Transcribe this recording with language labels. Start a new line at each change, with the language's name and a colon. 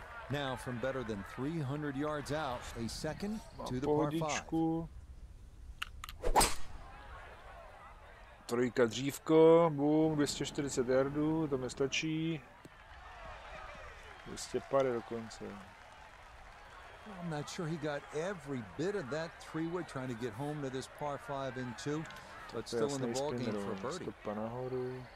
English: Now from better than 300 yards out, a second to the par 5.
Czech: Trojka dřívko, boom, 240 yardů, to mi stačí. 250 dokonce.
English: I'm not sure he got every bit of that three wood trying to get home to this par 5 and 2, but still in the ball game for birdie.